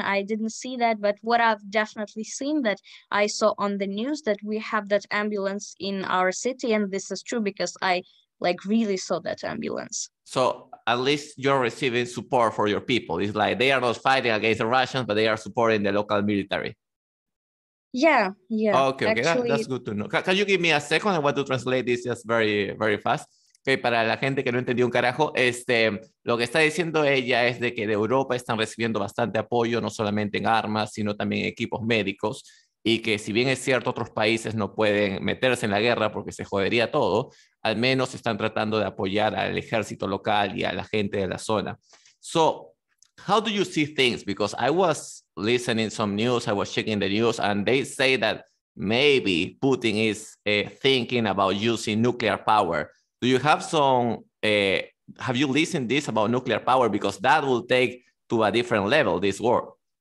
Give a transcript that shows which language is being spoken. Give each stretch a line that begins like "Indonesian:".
English: I didn't see that, but what I've definitely seen, that I saw on the news, that we have that ambulance in our city, and this is true because I like really saw that ambulance. So at least you're receiving support for your people. It's like they are not fighting against the Russians, but they are supporting the local military. Yeah. Okay, actually, that's good to know. Can you give me a second? I want to translate this just very, very fast.
Spanish: Okay, para la gente que no entendió un carajo, lo que está diciendo ella es de que de Europa están recibiendo bastante apoyo, no solamente en armas, sino también en equipos médicos, y que si bien es cierto otros países no pueden meterse en la guerra porque se jodería todo, al menos están tratando de apoyar al ejército local y a la gente de la zona.
English: So, how do you see things? Because I was listening some news, I was checking the news, and they say that maybe Putin is thinking about using nuclear power. Do you have have you listened this about nuclear power? Because that will take to a different level, this war.